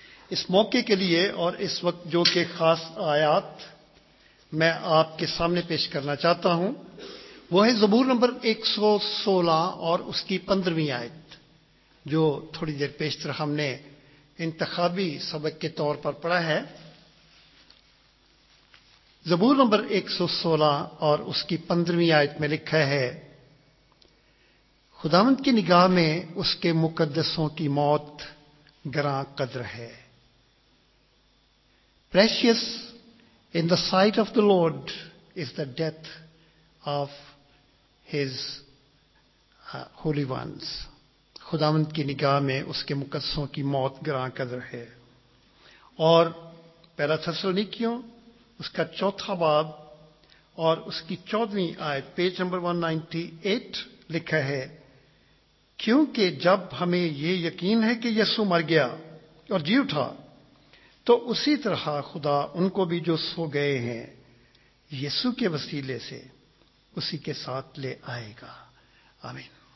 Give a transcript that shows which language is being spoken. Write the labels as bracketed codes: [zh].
[ur] اس موقع کے لیے اور اس وقت جو کہ خاص آیات میں آپ کے سامنے پیش کرنا چاہتا ہوں وہ ہے زبور نمبر 116 اور اس کی 15ویں آیت، جو تھوڑی دیر پیشتر ہم نے انتخابی سبق کے طور پر پڑھا ہے. زبور نمبر 116 اور اس کی 15ویں آیت میں لکھا ہے، خداوند کی نگاہ میں اس کے مقدسوں کی موت گراں قدر ہے. [en] Precious in the sight of the Lord is the death of his holy ones. [ur] خداوند کی نگاہ میں اس کے مقدسوں کی موت گراں قدر ہے. اور پہلا تھسلونیکیوں اس کا چوتھا باب اور اس کی 14ویں آیت پیج نمبر 198 لکھا ہے، کیونکہ جب ہمیں یہ یقین ہے کہ یسوع مر گیا اور جی اٹھا، تو اسی طرح خدا ان کو بھی جو سو گئے ہیں یسوع کے وسیلے سے اسی کے ساتھ لے آئے گا. آمین.